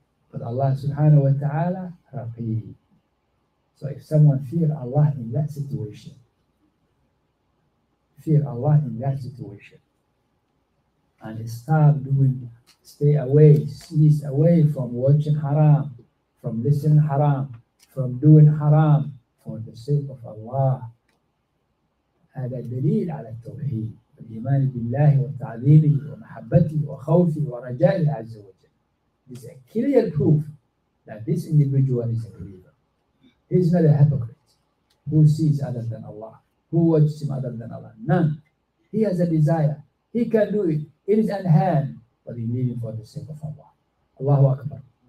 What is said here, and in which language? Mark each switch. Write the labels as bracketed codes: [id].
[en] But Allah subhanahu wa ta'ala, raqib. So if someone fear Allah in that situation, fear Allah in that situation, and stop doing that, stay away, cease away from watching haram, from listening haram, from doing haram for the sake of Allah. [ar] هذا دليل على التوحيد الإيمان بالله وتعظيمه ومحبته وخوفه ورجائه عز وجل. [en] This is a clear proof that this individual is a believer. He is not a hypocrite. Who sees other than Allah? Who watches him other than Allah? None. He has a desire. He can do it. It is at hand, but he needs it for the sake of Allah. Allahu Akbar.